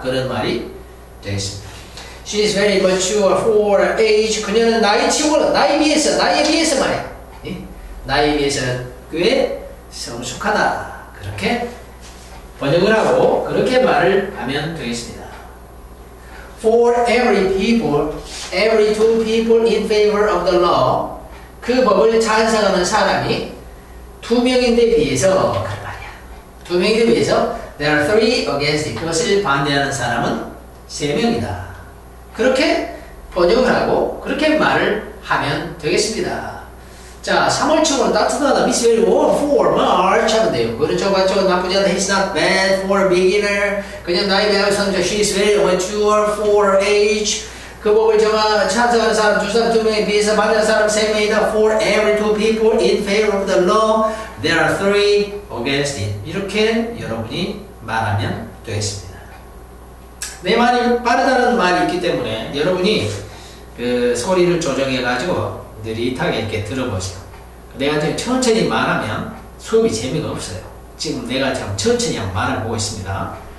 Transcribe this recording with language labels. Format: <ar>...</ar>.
<ko>그런 말이 되겠습니다.</ko> <en>She's very mature for her age.</en> <ko>그녀는 나이에 비해서 말이야. 나에 비해서는 꽤 성숙하다. 그렇게 번역을 하고 그렇게 말을 하면 되겠습니다.</ko> <en>For every two people in favor of the law.</en> <ko>그 법을 찬성하는 사람이 두 명인데 비해서 그런 말이야. 두 명인데 비해서</ko> <en>there are three against it.</en> <ko>그것을 반대하는 사람은 세 명이다. 그렇게 번역을 하고 그렇게 말을 하면 되겠습니다. 자, 3월 초는 따뜻하다.</ko> <en>It's very warm for March</en> <ko>하면 돼요. 그렇죠, 맞죠? 나쁘지 않다.</ko> <en>It's not bad for a beginner.</en> <ko>그냥 나이 배우선죠.</ko> <en>She's very mature for age.</en> <ko>그 법을 정하, 찬성하는 사람, 두 사람, 두 명에 비해서 반대하는 사람, 세 명이다.</ko> <en>For every two people in favor of the law, there are three against it.</en> <ko>이렇게 여러분이 말하면 되겠습니다. 내 말이 빠르다는 말이 있기 때문에 여러분이 그 소리를 조정해가지고 느릿하게 이렇게 들어보세요. 내가 지금 천천히 말하면 수업이 재미가 없어요. 지금 내가 지금 천천히 말을 보고 있습니다.</ko>